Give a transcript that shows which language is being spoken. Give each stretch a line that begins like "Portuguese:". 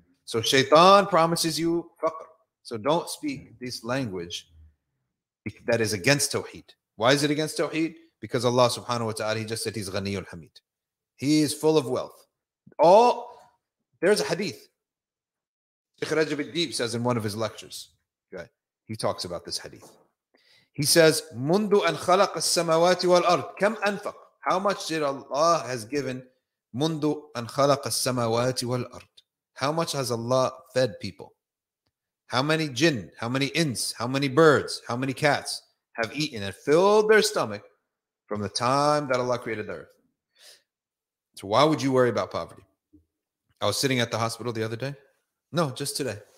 English: So Shaytan promises you faqr. So don't speak this language that is against Tawheed. Why is it against Tawheed? Because Allah subhanahu wa ta'ala, he just said he's ghaniyul hamid. He is full of wealth. There's a hadith. Sheikh Rajab al-Deeb says in one of his lectures, right? He talks about this hadith. He says,
Arabic: منذ أن خلق السماوات والأرض كم أنفق?
English: How much did Allah has given?
Arabic: منذ أن خلق السماوات والأرض.
English: How much has Allah fed people? How many jinn, how many ins, how many birds, how many cats have eaten and filled their stomach from the time that Allah created the earth? So why would you worry about poverty? I was sitting at the hospital the other day. No, just today.